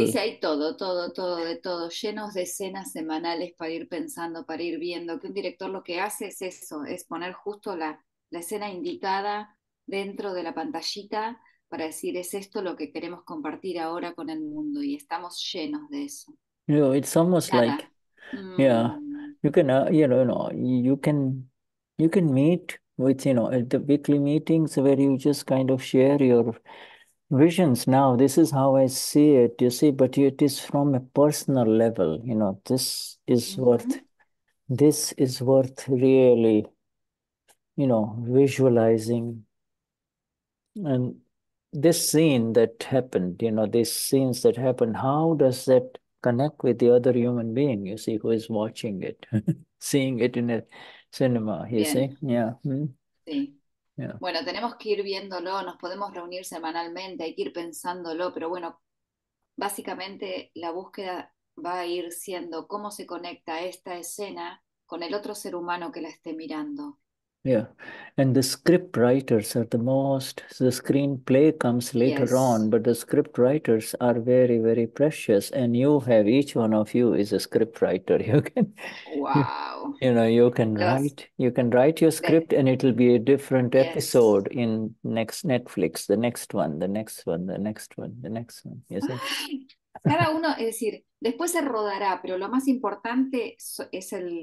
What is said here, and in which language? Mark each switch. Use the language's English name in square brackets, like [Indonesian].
[Spanish] ahí todo, todo, todo, de todo, llenos de escenas semanales para ir pensando, para ir viendo, que un director lo que hace es eso, es poner justo la escena indicada dentro de la pantallita para decir, es esto lo que queremos compartir ahora con el mundo y estamos llenos de eso. [English] It's almost like, Dada. you can you can meet with at the weekly meetings where you just kind of share your visions. Now, this is how I see it, you see, but it is from a personal level. This is worth really, visualizing. And this scene that happened, these scenes that happened, how does that connect with the other human being, you see, who is watching it, seeing it in a cinema, you see? [Spanish] Bien, sí. Bueno, tenemos que ir viéndolo, nos podemos reunir semanalmente, hay que ir pensándolo, pero bueno, básicamente la búsqueda va a ir siendo cómo se conecta esta escena con el otro ser humano que la esté mirando. [English] And the script writers are the most, the screenplay comes later on, Yes. but the script writers are very, very precious. And you have, each one of you is a script writer. You can, Wow. you can write your script [Spanish] De [English] and it'll be a different yes. episode in next Netflix, the next one, the next one, the next one, the next one, you see? [Spanish] Cada uno, es decir, después se rodará, pero lo más importante es